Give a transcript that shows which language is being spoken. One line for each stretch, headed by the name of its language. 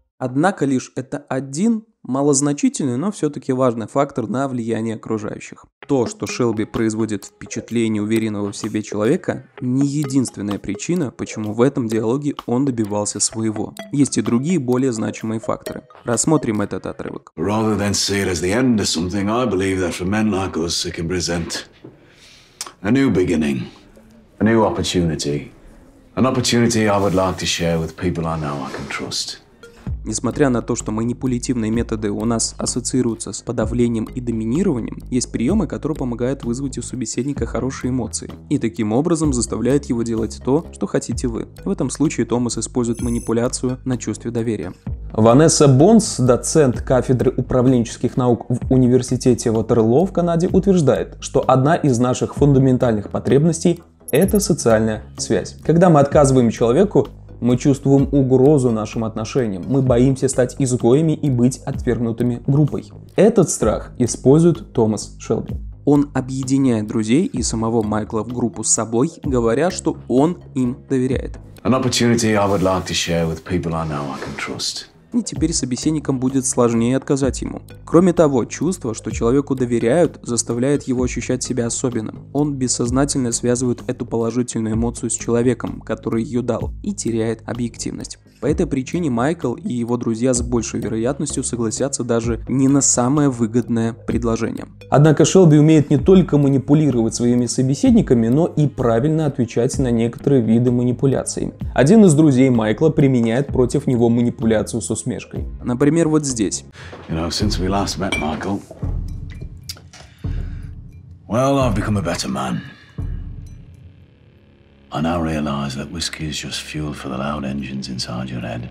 Russian: Однако лишь это один малозначительный, но все-таки важный фактор на влияние окружающих. То, что Шелби производит впечатление уверенного в себе человека, не единственная причина, почему в этом диалоге он добивался своего. Есть и другие более значимые факторы. Рассмотрим этот отрывок.
English: Rather than see it as the end of something, I believe that for men like us it can present a new beginning, a new opportunity. An opportunity I would like to share with people I know I can trust.
Russian: Несмотря на то, что манипулятивные методы у нас ассоциируются с подавлением и доминированием, есть приемы, которые помогают вызвать у собеседника хорошие эмоции и таким образом заставляют его делать то, что хотите вы. В этом случае Томас использует манипуляцию на чувстве доверия. Ванесса Бонс, доцент кафедры управленческих наук в университете Ватерло в Канаде, утверждает, что одна из наших фундаментальных потребностей – это социальная связь. Когда мы отказываем человеку, мы чувствуем угрозу нашим отношениям, мы боимся стать изгоями и быть отвергнутыми группой. Этот страх использует Томас Шелби. Он объединяет друзей и самого Майкла в группу с собой, говоря, что он им доверяет.
English: An opportunity I would like to share with people I know I can trust.
Russian: И теперь собеседникам будет сложнее отказать ему. Кроме того, чувство, что человеку доверяют, заставляет его ощущать себя особенным. Он бессознательно связывает эту положительную эмоцию с человеком, который ее дал, и теряет объективность. По этой причине Майкл и его друзья с большей вероятностью согласятся даже не на самое выгодное предложение. Однако Шелби умеет не только манипулировать своими собеседниками, но и правильно отвечать на некоторые виды манипуляций. Один из друзей Майкла применяет против него манипуляцию с усмешкой. Например, вот здесь.
English: You know, since we last met, Michael, well, I've become a better man. I now realize that whiskey is just fuel for the loud engines inside your head.